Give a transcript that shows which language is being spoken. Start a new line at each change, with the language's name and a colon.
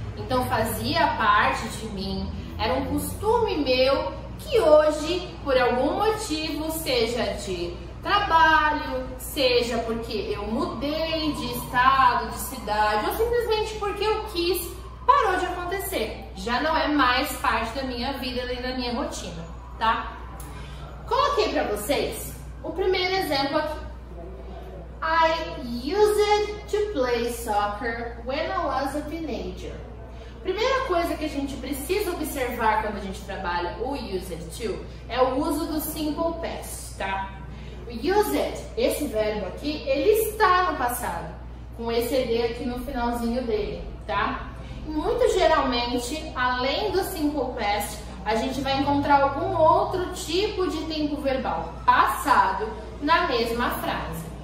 Portuguese: Então fazia parte de mim, era um costume meu que hoje, por algum motivo, seja de trabalho, seja porque eu mudei de estado, de cidade, ou simplesmente porque eu quis, parou de acontecer. Já não é mais parte da minha vida nem da minha rotina, tá? Coloquei pra vocês o primeiro exemplo aqui.
English: I use it to play soccer when I was a teenager.
Portuguese: Primeira coisa que a gente precisa observar quando a gente trabalha o use it to é o uso do simple past, tá? O use it, esse verbo aqui, ele está no passado, com esse ed aqui no finalzinho dele, tá? Muito geralmente, além do simple past, a gente vai encontrar algum outro tipo de tempo verbal passado na mesma frase.